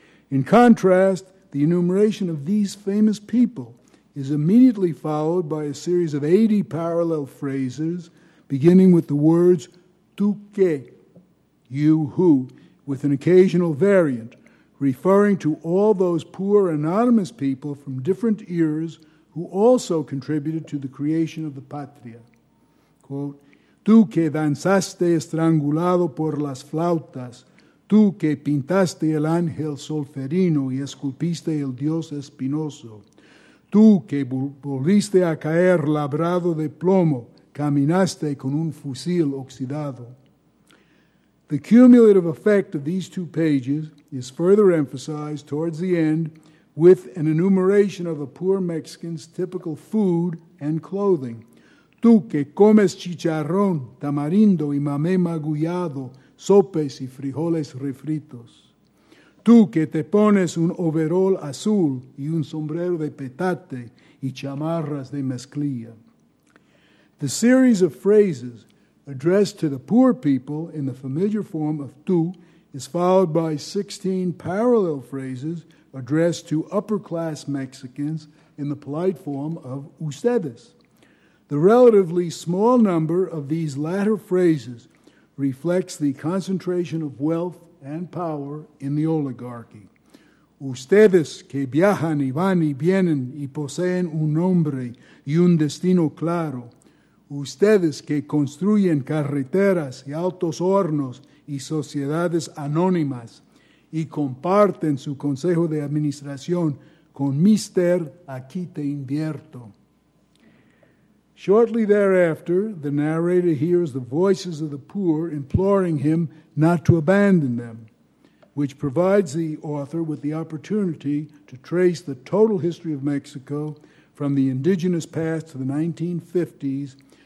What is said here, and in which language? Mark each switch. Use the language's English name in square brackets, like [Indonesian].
[English] In contrast, the enumeration of these famous people is immediately followed by a series of 80 parallel phrases beginning with the words tú qué, you who, with an occasional variant, referring to all those poor anonymous people from different eras who also contributed to the creation of the patria. [Spanish] Quote, tú que danzaste estrangulado por las flautas, tú que pintaste el ángel solferino y esculpiste el dios espinoso, tú que volviste a caer labrado de plomo, caminaste con un fusil oxidado. [English] The cumulative effect of these two pages is further emphasized towards the end with an enumeration of a poor Mexican's typical food and clothing. [Spanish] Tú que comes chicharrón, tamarindo y mamé magullado, sopes y frijoles refritos. Tú que te pones un overol azul y un sombrero de petate y chamarras de mezclilla. [English] The series of phrases addressed to the poor people in the familiar form of tú is followed by 16 parallel phrases addressed to upper-class Mexicans in the polite form of ustedes. The relatively small number of these latter phrases reflects the concentration of wealth and power in the oligarchy. [Spanish] Ustedes que viajan y van y vienen y poseen un nombre y un destino claro. Ustedes que construyen carreteras y altos hornos y sociedades anónimas y comparten su consejo de administración con Mister Aquí te invierto. [English] Shortly thereafter, the narrator hears the voices of the poor imploring him not to abandon them, which provides the author with the opportunity to trace the total history of Mexico from the indigenous past to the 1950s